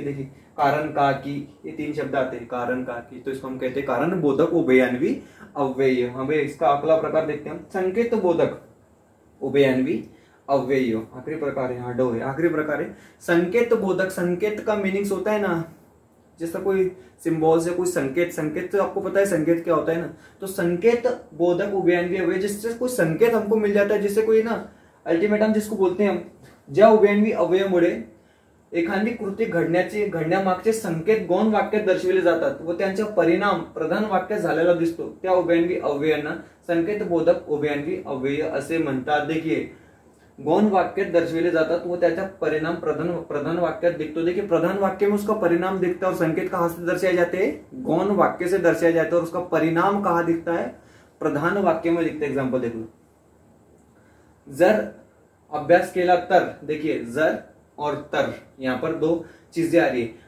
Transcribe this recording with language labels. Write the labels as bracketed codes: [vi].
[hi] देखिए कारण का की, ये तीन शब्द आते हैं कारण का की, तो इसको हम कहते हैं कारण बोधक उभयान्वी अव्यय। हमें इसका अगला प्रकार देखते हैं हम, संकेत बोधक उभयान्वी अव्यय आखिरी प्रकार है। हाँ डोहे आखिरी प्रकार है संकेत बोधक। संकेत का मीनिंग्स होता है ना, जैसा कोई सिंबल से कोई संकेत, संकेत तो आपको पता है संकेत क्या होता है ना। तो संकेत बोधक उभयान्वी अव्यय, जिससे कोई संकेत हमको मिल जाता है, जिससे कोई ना अल्टीमेटम जिसको बोलते हैं हम, [mr] ज्या उभयान्वी अव्यय मुळे एखादी कृती घडण्याचे घडण्यामागचे संकेत गौण वाक्यात दर्शविले जातात व त्यांचा परिणाम प्रधान वाक्यात झालेला दिसतो, त्या उभयान्वी अव्ययांना संकेत बोधक उभयान्वी अव्यय असे म्हणतात। देखिए गौण वाक्यात दर्शविले जातात व त्याचा परिणाम प्रधान वाक्यात दिसतो। [hi] देखिए प्रधान वाक्य में उसका परिणाम दिखता है और संकेत कहां से दर्शाया जाते है, गौण वाक्य से दर्शाया जाता है। और उसका परिणाम कहां दिखता है, प्रधान वाक्य में दिखता है। एग्जांपल देख लो, [mr] जर अभ्यास केला तर, [hi] देखिए जर और तर यहां पर दो चीजें आ रही है।